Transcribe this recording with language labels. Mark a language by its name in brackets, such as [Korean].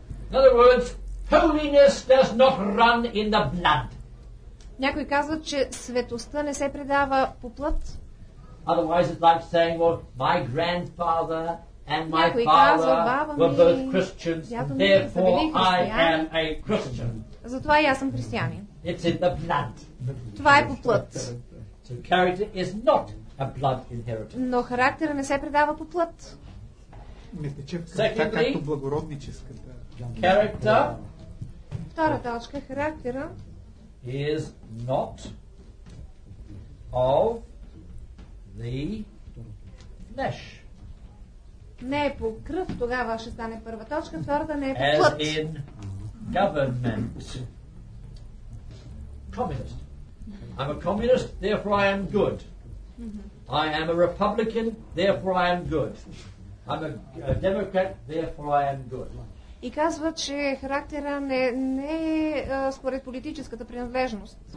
[English] In other words, holiness does not run in the blood. [Bulgarian] Някой казва, че светостта не се предава по плът. [English] Otherwise it's like saying, well, my grandfather and my [Bulgarian] някой [English] father [Bulgarian] казва, [English] were both Christians, therefore I am a Christian. [Bulgarian] Затова и аз съм християнин. [English] It's in the blood. [Bulgarian] Това е по плът. [English] So character is not a blood inheritance. [Bulgarian] Но характера не се предава по плът. [English] Secondly, [Bulgarian] както благородническата. [English] Character. [Bulgarian] Втора точка, характера [English] is not of the flesh. [Bulgarian] Не е по кръв, тогава ще стане първа точка, втората не е по плът. [English] As in government. Communist. I'm a communist, therefore I am good. I am a republican, therefore I am good. I'm a democrat, therefore I am good. [Bulgarian] И казва, че характера не е според политическата принадлежност.